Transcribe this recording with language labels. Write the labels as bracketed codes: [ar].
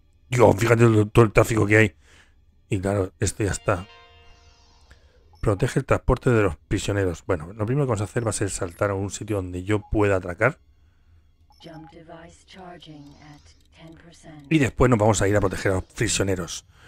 [es] Yo, fíjate todo el tráfico que hay. Y claro, esto ya está. Protege el transporte de los prisioneros. Bueno, lo primero que vamos a hacer va a ser saltar a un sitio donde yo pueda atracar. [en] Jump device charging at 10%. [es] Y después nos vamos a ir a proteger a los prisioneros.